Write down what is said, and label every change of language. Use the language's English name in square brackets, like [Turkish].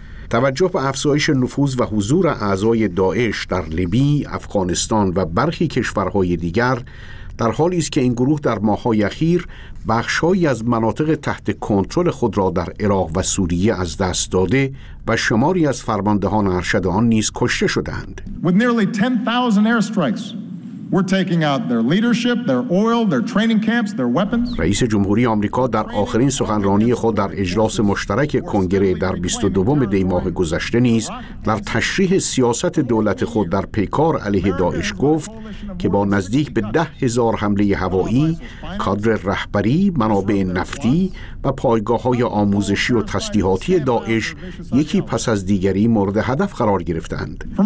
[Persian] توجه به افزایش نفوذ و حضور اعضای داعش در لیبی، افغانستان و برخی کشورهای دیگر در حالی است که این گروه در ماه‌های اخیر بخش‌هایی از مناطق تحت کنترل خود را در عراق و سوریه از دست داده و شماری از فرماندهان ارشد آن نیز کشته شده‌اند. [English] With nearly 10,000 airstrikes, we're taking out their leadership, their oil, their training camps, their weapons. [Persian] رئیس جمهوری آمریکا در آخرین سخنرانی خود در اجلاس مشترک کنگره در 22 دی ماه گذشته نیز در تشریح سیاست دولت خود در پیکار علیه داعش گفت که با نزدیک به 10,000 حمله هوایی، کادر رهبری، منابع نفتی و پایگاه‌های آموزشی و تسلیحاتی داعش یکی پس از دیگری مورد هدف قرار گرفتند.